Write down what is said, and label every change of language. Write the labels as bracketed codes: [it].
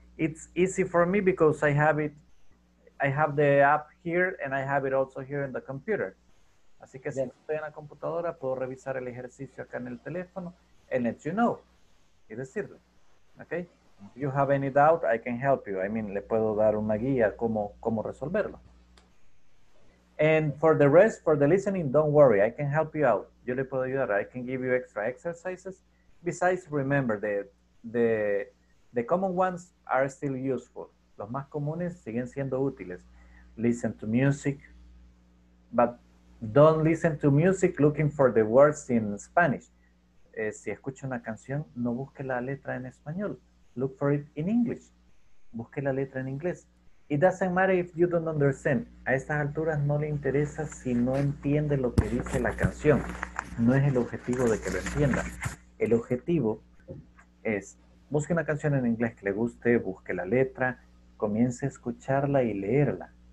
[en] It's easy for me because I have it. I have the app here and I have it also here in the computer. [es] Así que si estoy en la computadora, puedo revisar el ejercicio acá en el teléfono [en] and let you know. [es] Y decirle, [en] okay? If you have any doubt, I can help you. I mean, [es] le puedo dar una guía cómo resolverlo. [en] And for the rest, for the listening, don't worry. I can help you out. [es] Yo le puedo ayudar. [en] I can give you extra exercises. Besides, remember, the common ones are still useful. [es] Los más comunes siguen siendo útiles. [en] Listen to music. But don't listen to music looking for the words in Spanish. [es] Si escucha una canción, no busque la letra en español. [en] Look for it in English. [es] Busque la letra en inglés. [en] It doesn't matter if you don't understand. [es] A estas alturas no le interesa si no entiende lo que dice la canción. No es el objetivo de que lo entienda. El objetivo es, busque una canción en inglés que le guste, busque la letra, comience a escucharla y leerla.